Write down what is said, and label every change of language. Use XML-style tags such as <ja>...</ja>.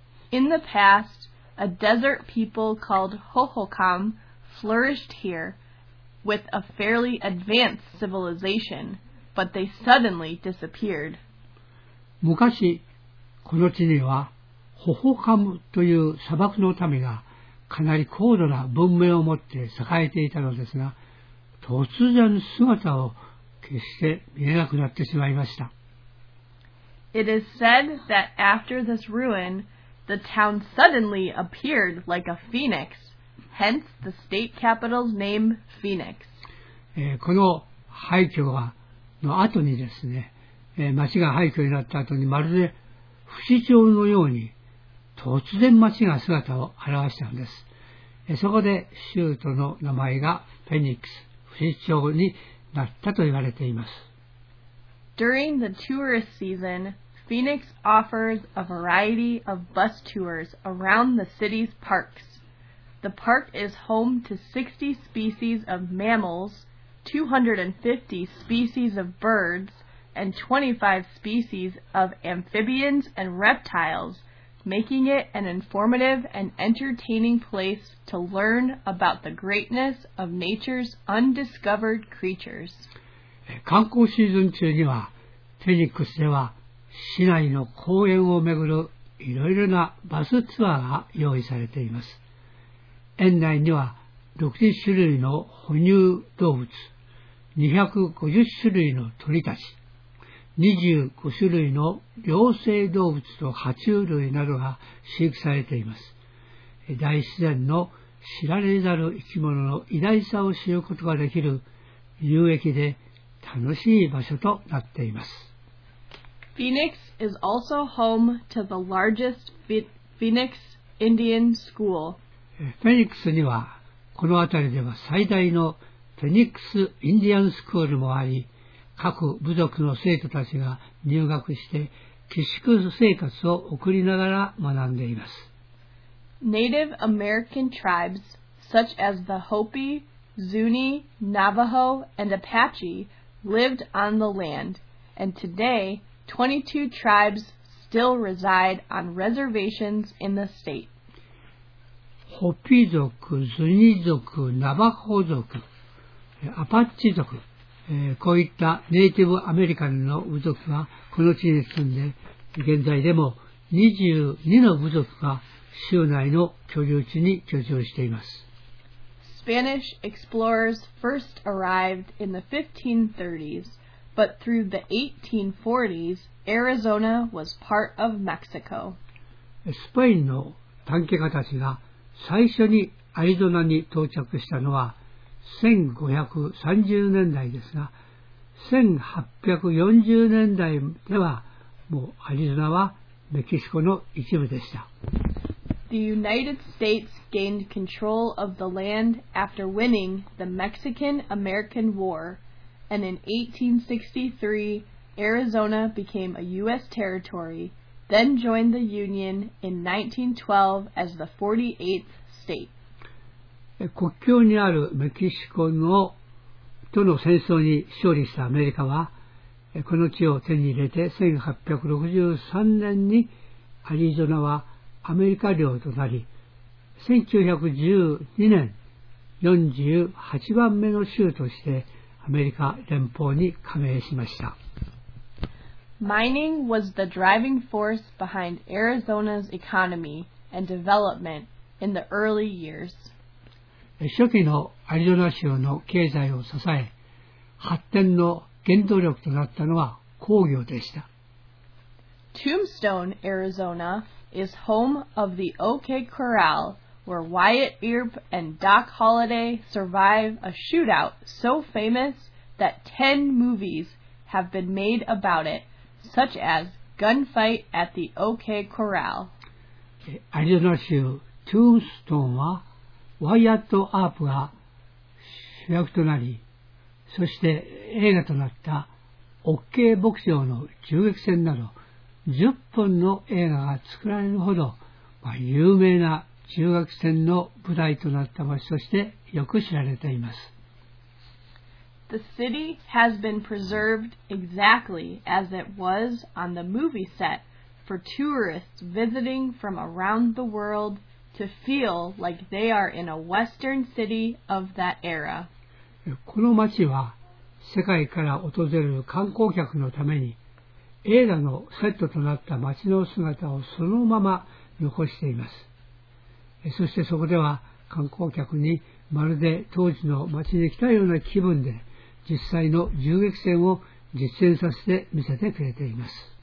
<en>In the past, a desert people called Hohokam flourished here with a fairly advanced civilization, but they suddenly disappeared.</en> <ja>昔、この地にはホホカムという砂漠の民がかなり高度な文明を持って栄えていたのですが、突然姿を消して見えなくなってしまいました。</ja> <en>It is said that after this ruin, the town suddenly appeared like a phoenix, hence the state capital's name, Phoenix.</en> <ja>この廃墟の後にですね、町が廃墟になった後にまるで不死鳥のように突然町が姿を現したんです。そこで州都の名前がフェニックス、不死鳥になったと言われています。</ja> <en>During the tourist season, Phoenix offers a variety of bus tours around the city's parks. The park is home to 60 species of mammals, 250 species of birds, and 25 species of amphibians and reptiles, making it an informative and entertaining place to learn about the greatness of nature's undiscovered creatures.</en> <ja>観光シーズン中には、フェニックスでは市内の公園をめぐるいろいろなバスツアーが用意されています。園内には60種類の哺乳動物、250種類の鳥たち、25種類の両生動物と爬虫類などが飼育されています。大自然の知られざる生き物の偉大さを知ることができる有益で楽しい場所となっています。</ja> <en>Phoenix is also home to the largest Phoenix Indian School.</en> <ja>フェニックスにはこの辺りでは最大のフェニックスインディアンスクールもあり、各部族の生徒たちが入学して寄宿生活を送りながら学んでいます。</ja> <en>Native American tribes such as the Hopi, Zuni, Navajo, and Apache lived on the land, and today 22 tribes still reside on reservations in the state.</en> <ja>ホピ族、ズニ族、ナバホ族、アパッチ族、こういったネイティブアメリカンの部族がこの地に住んで、現在でも22の部族が州内の居住地に居住しています。</ja> <en>Spanish explorers first arrived in the 1530s, but through the 1840s, Arizona was part of Mexico.</en> <ja>スペインの探検家たちが最初にアリゾナに到着したのは1530年代ですが、1840年代ではもうアリゾナはメキシコの一部でした。</ja> <en>The United States gained control of the land after winning the Mexican-American War, and in 1863, Arizona became a U.S. territory, then joined the Union in 1912 as the 48th state.</en> <ja>国境にあるメキシコのとの戦争に勝利したアメリカは、この地を手に入れて1863年にアリゾナはアメリカ領となり、1912年48番目の州としてアメリカ連邦に加盟しました。</ja> <en>Mining was the driving force behind Arizona's economy and development in the early years.</en> <ja>初期のアリゾナ州の経済を支え、発展の原動力となったのは工業でした。</ja> <en>Tombstone, Arizona is home of the OK Corral, where Wyatt Earp and Doc Holliday survive a shootout so famous that 10 movies have been made about it, such as Gunfight at the OK Corral.</en> <ja>アリゾナ州トゥーンストーンはワイアット・アープが主役となり、そして映画となった OK 牧場の銃撃戦など10本の映画が作られるほど、まあ、有名な中学戦の舞台となった場所としてよく知られています。</ja> <en>The city has been preserved exactly as it was on the movie set for tourists visiting from around the world to feel like they are in a Western city of that era.</en> <ja>この街は世界から訪れる観光客のために映画のセットとなった街の姿をそのまま残しています。そしてそこでは観光客にまるで当時の街に来たような気分で実際の銃撃戦を実践させて見せてくれています。</ja>